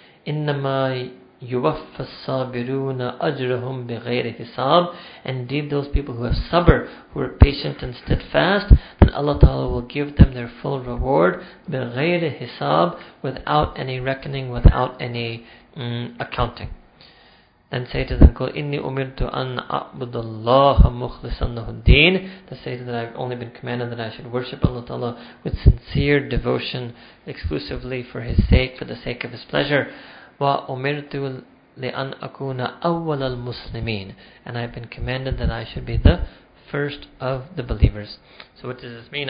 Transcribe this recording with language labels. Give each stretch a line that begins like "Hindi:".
Arabic: إِنَّمَا يُوَفَّ الصَّابِرُونَ أَجْرَهُمْ بِغَيْرِ حِسَابٍ.
English: Indeed, those people who have sabr, who are patient and steadfast, then Allah Ta'ala will give them their full reward,
Arabic: بِغَيْرِ حِسَابٍ,
English: without any reckoning, without any accounting. Then say to them,
Arabic: قُلْ إِنِّي أُمِرْتُ أَنْ أَعْبُدُ اللَّهَ مُخْلِصًا لَهُ الدِّينِ.
English: Then say to them, I've only been commanded that I should worship Allah Ta'ala with sincere devotion, exclusively for His sake, for the sake of His pleasure.
Arabic: وَأُمِرْتُ لِأَنْ أَكُونَ أَوَّلَ الْمُسْلِمِينَ.
English: And I've been commanded that I should be the first of the believers. So what does this mean?